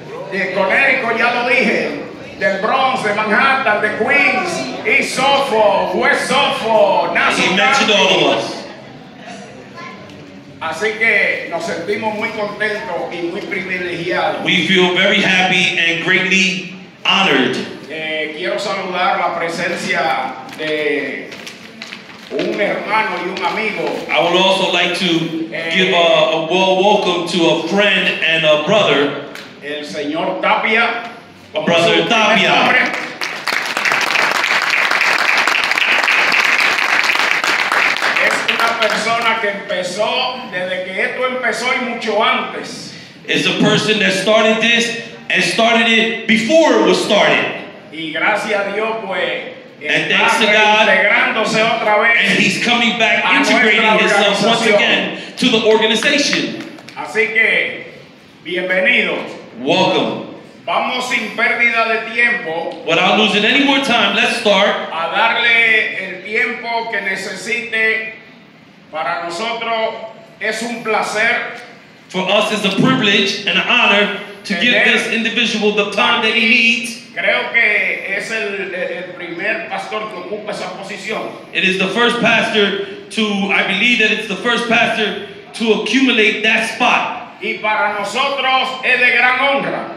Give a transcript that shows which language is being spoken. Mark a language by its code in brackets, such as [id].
[es] De Connecticut, ya lo dije. Del Bronx, de Manhattan, de Queens, [en] East Suffolk, West Suffolk, Nassau County. He mentioned all of us. [es] Así que nos sentimos muy contentos y muy privilegiados. [en] We feel very happy and greatly honored. [es] Quiero saludar la presencia de un hermano y un amigo. [en] I would also like to give a well welcome to a friend and a brother. [es] El señor Tapia. [en] A brother Tapia. [es] Es una persona que empezó desde que esto empezó y mucho antes. [en] Is a person that started this and started it before it was started. [es] Y gracias a Dios pues. [en] And thanks to God. [es] Otra vez [en] and he's coming back integrating himself once again to the organization. [es] Así que bienvenido. [en] Welcome. [es] Vamos sin pérdida de tiempo. [en] Without losing any more time, let's start. [es] A darle el tiempo que necesite. Para nosotros es un placer. [en] For us it's a privilege and an honor to give this individual the time that he needs. [es] Creo que es el primer pastor que ocupa esa posición. [en] It is the first pastor to, I believe that it's the first pastor to accumulate that spot. [es] Y para nosotros es de gran honra.